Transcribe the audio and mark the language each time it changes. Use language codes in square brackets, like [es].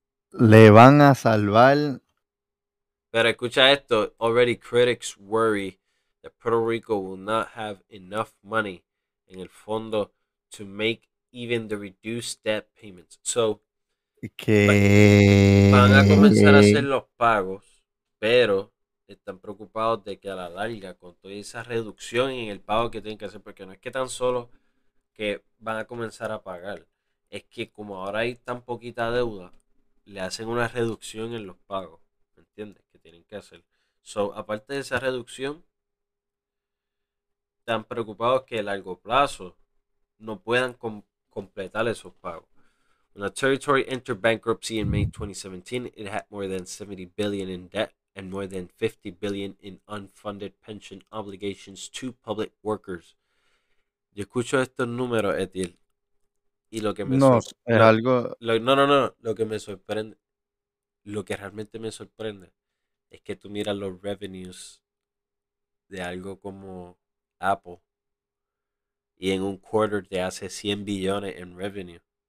[es] Le van a salvar. Pero escucha esto. [en] Already critics worry that Puerto Rico will not have enough money in [es] el fondo [en] to make even the reduced debt payments. So, [es] ¿qué? Van a comenzar a hacer los pagos, pero están preocupados de que a la larga, con toda esa reducción en el pago que tienen que hacer, porque no es que tan solo que van a comenzar a pagar, es que como ahora hay tan poquita deuda, le hacen una reducción en los pagos, ¿me entiendes? Que tienen que hacer. So, aparte de esa reducción, están preocupados que a largo plazo no puedan completar esos pagos. [en] When the territory entered bankruptcy in May 2017, it had more than $70 billion in debt and more than $50 billion in unfunded pension obligations to public workers. [es] Yo escucho estos números, Etiel. Y lo que me lo que realmente me sorprende es que tú miras los revenues de algo como Apple y en un quarter te hace $100 billion en revenue.